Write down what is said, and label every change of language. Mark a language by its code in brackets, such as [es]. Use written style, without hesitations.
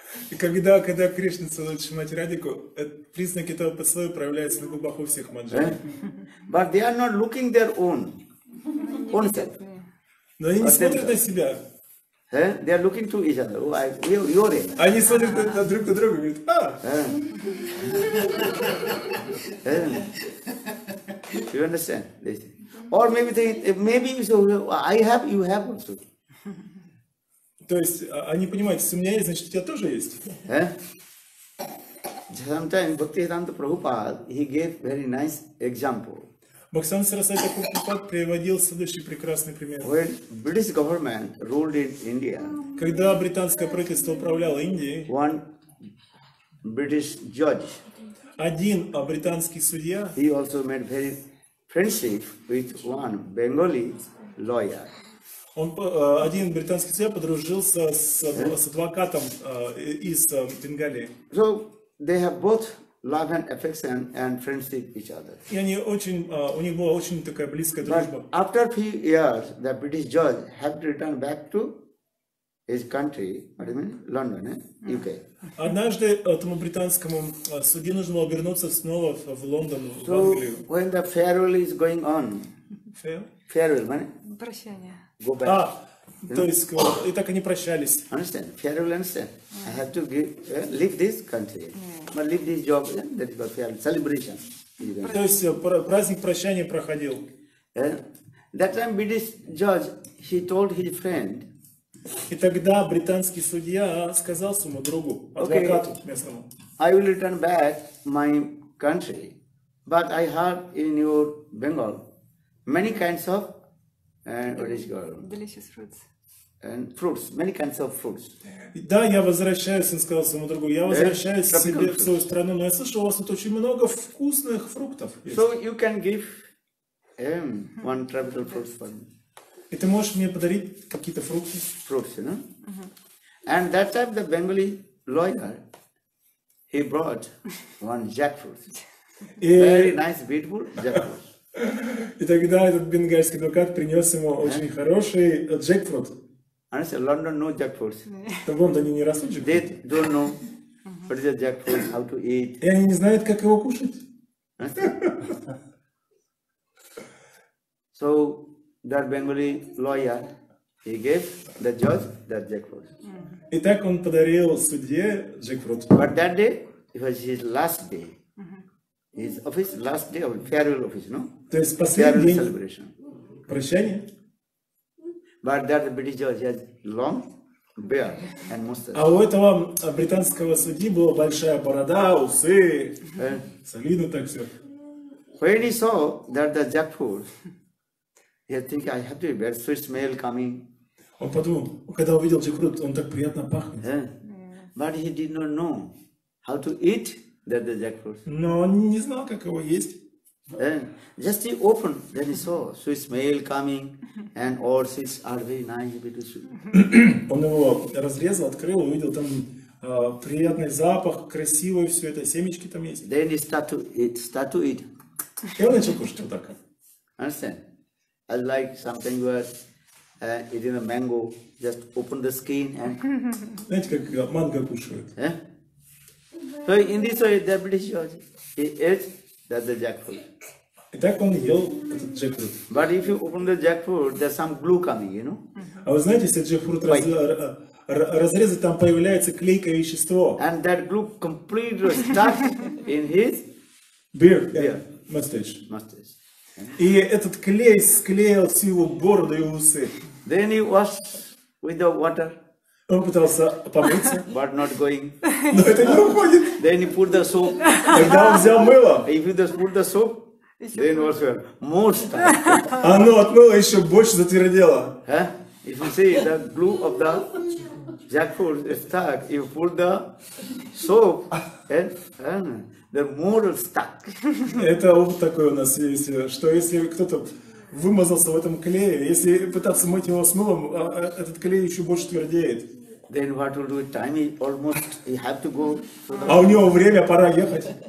[ru] И когда Кришна целует Шримати Радхику, признаки этого поцелуя проявляются на губах у всех Манджари. [en] But they are not looking their own self. [ru] Но они не смотрят на себя. [en] They are looking to each other. Oh, you're in. [ru] Они смотрят на друг на друга и говорят, а! [en] You understand? Or maybe they, maybe so I have, you have also. [ru] То есть они понимают, если у меня есть, значит у тебя тоже есть. [en] Sometimes Bhaktisiddhanta Prabhupada, he gave very nice example. [ru] Бхактисиддханта Сарасвати Прабхупад приводил следующий прекрасный пример. [en] When British government ruled in India, [ru] когда британское правительство управляло Индией, [en] one British judge, [ru] один британский судья, [en] he also made very friendship with one Bengali lawyer. [ru] Он, один британский судья подружился с, с адвокатом из Бенгалии. [en] So they have both love and affection and friendship each other. [ru] И они очень, у них была очень такая близкая дружба. [en] But after few years, the British judge had to return back to his country, what do you mean, London, UK. [ru] Однажды этому британскому судье нужно было вернуться снова в Лондон, в Англию. [en] So when the farewell is going on. Farewell, man. [ru] Прощание. [en] Go back. [ru] А, то есть, и так они прощались. [en] Understand? Farewell, understand? I have to give, leave this country. But leave this job, that is a farewell, celebration. [ru] То есть, праздник прощания проходил. [en] That time British judge, he told his friend. [ru] И тогда британский судья сказал своему другу, адвокату местному. [en] I will return back my country, but I heard in your Bengal many kinds of delicious fruits. And fruits, many kinds of fruits. [ru] Да, я возвращаюсь, он сказал своему другу, я возвращаюсь к себе в свою страну, но я слышал, у вас тут очень много вкусных фруктов. [en] So you can give one tropical fruit for me. [ru] И ты можешь мне подарить какие-то фрукты? Фрукты, да? [en] And that time the Bengali lawyer, he brought one jackfruit. Very nice, beautiful jackfruit. [ru] И тогда этот бенгальский адвокат принес ему очень хороший джекфрут. [en] Honestly, London no jackfruits. [ru] В Лондоне не растут джекфруты. [en] They don't know what is a jackfruit, how to eat. [ru] И они не знают, как его кушать. [en] So that Bengali lawyer, he gave the judge that jackfruit. [ru] И так он подарил судье джекфрут. [en] But that day, it was his last day. His office, last day of farewell office, no? [ru] То есть последний день прощания? [en] But that the British judge has long beard and mustache. [ru] А у этого британского судьи была большая борода, усы, солидно так все. [en] When he saw that the jackfruit, he think I have to be very sweet smell coming. [ru] Он подумал, когда увидел джекфрут, он так приятно пахнет. [en] But he did not know how to eat that the jackfruit. [ru] Но он не знал, как его есть. [en] Just he opened, then he saw sweet smell coming, and all seeds are very nice, beautiful. [ru] Он его разрезал, открыл, увидел там приятный запах, красивое все это, семечки там есть. [en] Then he start to eat, start to eat. [ru] И он начал кушать вот так. [en] Understand? I like something where eating a mango, just open the skin and. [ru] Знаете, как манго кушают? [en] So in this way, the British judge, he ate that the jackfruit. [ru] Итак, он ел этот джекфрут. [en] But if you open the jackfruit, there's some glue coming, you know? [ru] А вы знаете, если джекфрут разрезать, там появляется клейкое вещество. [en] And that glue completely stuck in his beard, mustache. Mustache. [ru] И этот клей склеил всю его бороду и усы. [en] Then he washed with the water. [ru] Он пытался помыться. [en] But not going. [ru] Но это не уходит. [en] Then he put the soap. [ru] Тогда он взял мыло. [en] If you just put the soap, then was well. Most. [ru] Оно от мыла еще больше затвердело. [en] If you see the glue of the jackfruit is stuck, if you put the soap, the more stuck. [ru] Это опыт такой у нас есть, что если кто-то вымазался в этом клее, если пытаться мыть его с мылом, этот клей еще больше твердеет. [en] Then what will do with time? Almost he have to go. [ru] А у него время, пора ехать.